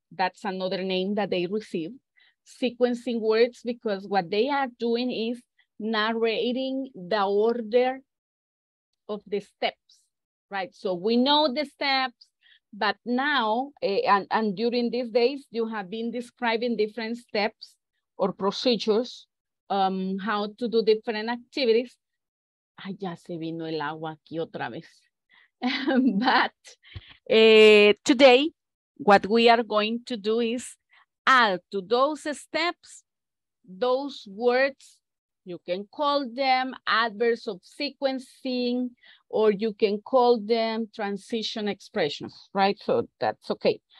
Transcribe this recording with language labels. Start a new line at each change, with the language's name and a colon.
English: That's another name that they receive. Sequencing words, because what they are doing is narrating the order of the steps. Right, so we know the steps, but now and during these days, you have been describing different steps or procedures, how to do different activities.
Spanish: Ay, ya se vino el agua aquí otra vez.
English: But today, what we are going to do is add to those steps, those words. You can call them adverbs of sequencing, or you can call them transition expressions, right? So that's okay.